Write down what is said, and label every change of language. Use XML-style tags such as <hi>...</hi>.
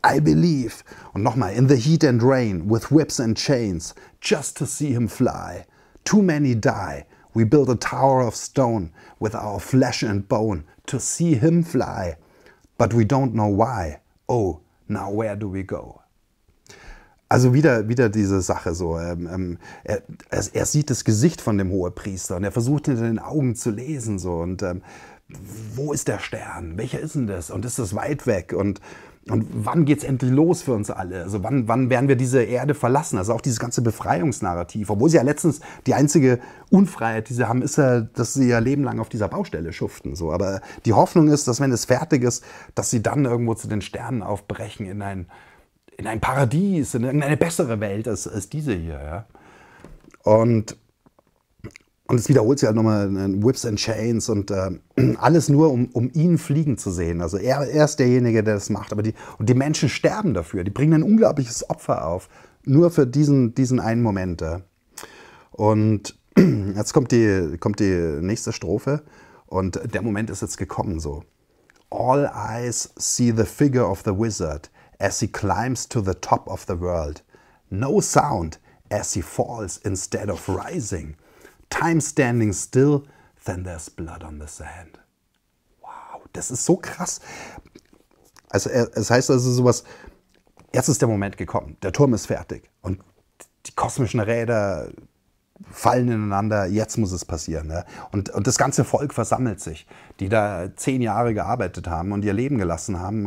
<en>Und nochmal, in the heat and rain, with whips and chains, just to see him fly. Too many die. We build a tower of stone with our flesh and bone to see him fly. But we don't know why. Oh, now where do we go?</en> <de>Also wieder diese Sache so. Er sieht das Gesicht von dem Hohepriester und er versucht in den Augen zu lesen. So, und wo ist der Stern? Welcher ist denn das? Und ist das weit weg? Und wann geht's endlich los für uns alle? Also wann werden wir diese Erde verlassen? Also auch dieses ganze Befreiungsnarrativ, obwohl sie ja letztens die einzige Unfreiheit, die sie haben, ist ja, dass sie ihr Leben lang auf dieser Baustelle schuften. So. Aber die Hoffnung ist, dass wenn es fertig ist, dass sie dann irgendwo zu den Sternen aufbrechen, in ein Paradies, in irgendeine bessere Welt als diese hier. Ja? Und es wiederholt sich halt nochmal in</de> <en>Whips and Chains</en> <de>und alles nur, um ihn fliegen zu sehen. Also er ist derjenige, der das macht. Aber die Menschen sterben dafür. Die bringen ein unglaubliches Opfer auf. Nur für diesen einen Moment. Und jetzt kommt die nächste Strophe. Und der Moment ist jetzt gekommen so.</de> <en>All eyes see the figure of the wizard as he climbs to the top of the world. No sound as he falls instead of rising. Time standing still, then there's blood on the sand.</en> <de>Wow, das ist so krass. Also es heißt also sowas, jetzt ist der Moment gekommen, der Turm ist fertig und die kosmischen Räder fallen ineinander, jetzt muss es passieren. Ne? Und das ganze Volk versammelt sich, die da 10 Jahre gearbeitet haben und ihr Leben gelassen haben.</de>